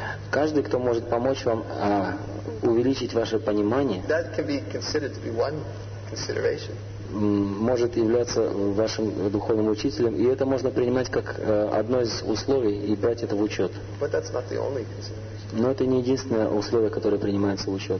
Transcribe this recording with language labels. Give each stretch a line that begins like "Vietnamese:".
Russian: Каждый, кто может помочь вам увеличить ваше понимание.
English: That can be considered to be one consideration.
Russian: Может являться вашим духовным учителем, и это можно принимать как одно из условий и брать это в учет.
English: But that's not the only consideration.
Russian: Но это не единственное условие, которое принимается в учет.